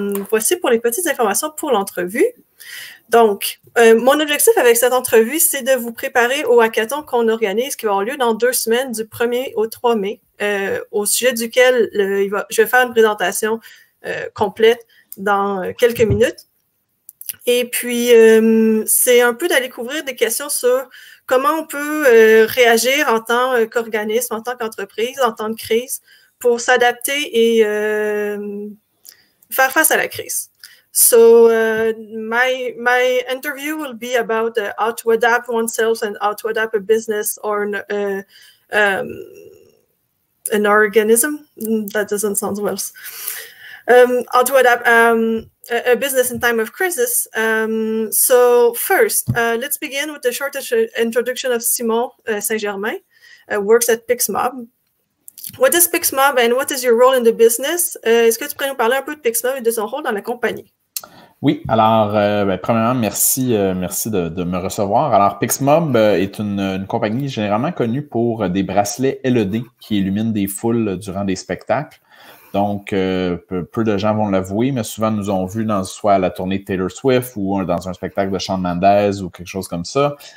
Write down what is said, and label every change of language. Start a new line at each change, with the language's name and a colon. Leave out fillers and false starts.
French: Voici pour les petites informations pour l'entrevue. Donc, mon objectif avec cette entrevue, c'est de vous préparer au hackathon qu'on organise, qui va avoir lieu dans 2 semaines, du 1er au 3 mai, au sujet duquel je vais faire une présentation complète dans quelques minutes. Et puis, c'est un peu d'aller couvrir des questions sur comment on peut réagir en tant qu'organisme, en tant qu'entreprise, en temps de crise, pour s'adapter et faire face à la crise.
English: So my interview will be about how to adapt oneself and how to adapt a business or an organism. That doesn't sound well. How to adapt a business in time of crisis. So first, let's begin with a short introduction of Simon St-Germain, works at PixMob. What is PixMob and what is your role in the business?
French: Est-ce que tu pourrais nous parler un peu de PixMob et de son rôle dans la compagnie? Oui, alors, premièrement, merci de me recevoir. Alors, PixMob est une compagnie généralement connue pour des bracelets LED qui illuminent des foules durant des spectacles. Donc, peu de gens vont l'avouer, mais souvent nous ont vu dans soit la tournée de Taylor Swift ou dans un spectacle de Shawn Mendes ou quelque chose comme ça.